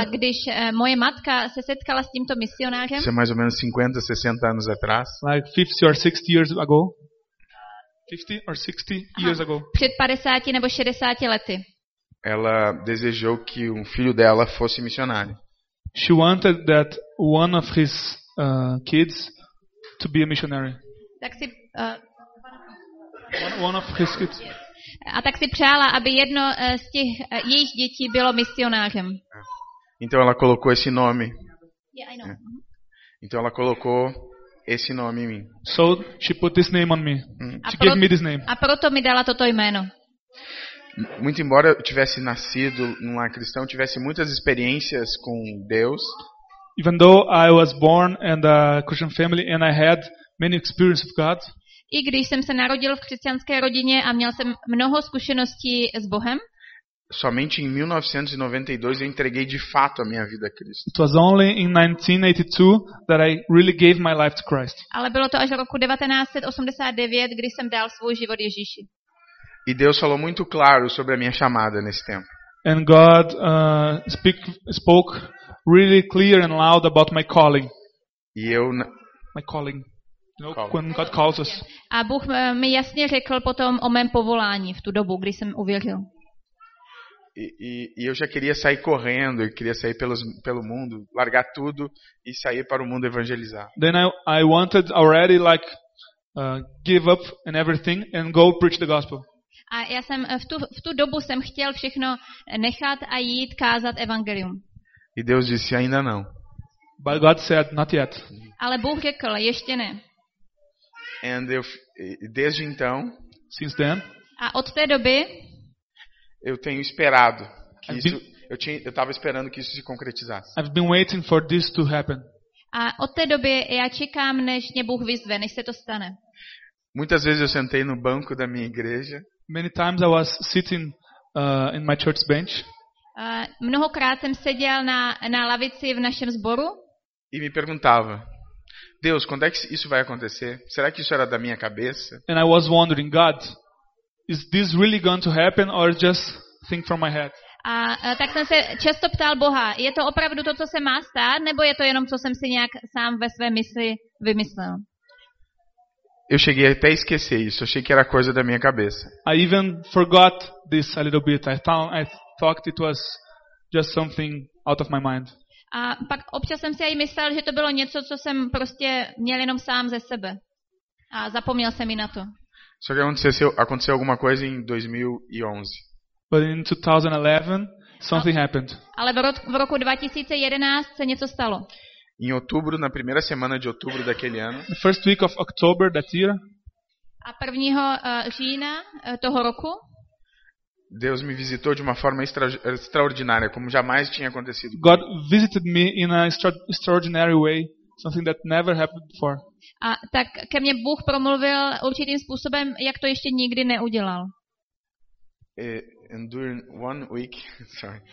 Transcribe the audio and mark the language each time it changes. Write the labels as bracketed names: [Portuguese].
[Czech] A když moje matka se setkala s tímto misionářem. [Portuguese] Isso é mais ou menos 50, 60 anos atrás. [English] Like 50 or 60 years ago. 50 or 60 years ago. [Czech] Před 50 nebo 60 lety. [Portuguese] Ela desejou que um filho dela fosse missionário. [English] She wanted that one of his kids to be a missionary. [Czech] Tak si [English] one of his kids. [Czech] A tak si přála, aby jedno z těch jejich dětí bylo misionářem. [Portuguese] Então ela colocou esse nome. [English] Yeah, [Portuguese] então ela colocou esse nome em mim. [English] So she put this name on me. She gave me this name. [Czech] A proto mi dala toto jméno. [Portuguese] Muito embora eu tivesse nascido num lar cristão, tivesse muitas experiências com Deus. [English] Even though I was born in a Christian family and I had many experiences of God. [Czech] I když jsem se narodil v křesťanské rodině a měl jsem mnoho zkušeností s Bohem. [Portuguese] Somente em 1992 eu entreguei de fato a minha vida a Cristo. [English] It was only in 1982 that I really gave my life to Christ. [Czech] Ale bylo to až v roku 1989, kdy jsem dal svůj život Ježíši. [Portuguese] E Deus falou muito claro sobre a minha chamada nesse tempo. [English] And God spoke really clear and loud about my calling. [Portuguese] E eu [English] my calling. No, when God calls us. [Czech] A Bůh mi jasně řekl potom o mém povolání v tu dobu, kdy jsem uvěřil. [Portuguese] E eu já queria sair correndo, eu queria sair pelo mundo, largar tudo e sair para o mundo evangelizar. [English] Then I wanted already like give up and everything and go preach the gospel. [Czech] A já jsem v tu dobu jsem chtěl všechno nechat a jít kázat evangelium. [Portuguese] E Deus disse ainda não. [English] But God said not yet. [Czech] Ale Bůh řekl ještě ne. [English] And [Portuguese] desde então, [English] since then, [Czech] a od té doby, [Portuguese] eu tenho esperado que [English] I've [Portuguese] isso, [English] been, [Portuguese] eu estava esperando que isso se concretizasse. [English] I've been waiting for this to happen. [Czech] A od té doby já čekám, než mě Bůh vyzve, než se to stane. [Portuguese] Muitas vezes eu sentei no banco da minha igreja. [English] Many times I was sitting in my church bench. [Czech] Mnohokrát jsem seděl na lavici v našem sboru. [Portuguese] E me perguntava. Deus, quando é que isso vai acontecer? Será que isso era da minha cabeça? [English] And I was wondering, God, is this really going to happen or just think from my head? [Czech] Tak jsem se často ptal Boha, je to opravdu to, co se má stát, nebo je to jenom, co jsem si nějak sám ve své mysli vymyslel? [Portuguese] Eu cheguei até a esquecer isso, achei que era coisa da minha cabeça. [English] I even forgot this a little bit. I thought it was just something out of my mind. [Czech] A pak občas jsem si aj myslel, že to bylo něco, co jsem prostě měl jenom sám ze sebe. A zapomněl jsem i na to. [Portuguese] Só que aconteceu alguma coisa em 2011. [English] But in 2011 something happened. [Czech] Ale v roku 2011 se něco stalo. [Portuguese] Em outubro, na primeira semana de outubro daquele ano. [English] The first week of October that year. [Czech] A 1. Října toho roku. [Portuguese] Deus me visitou de uma forma extraordinária, como jamais tinha acontecido. [English] God visited me in an extraordinary way, something that never happened before. [Czech] A tak ke mně Bůh promluvil určitým způsobem, jak to ještě nikdy neudělal. [English] And during one week, sorry.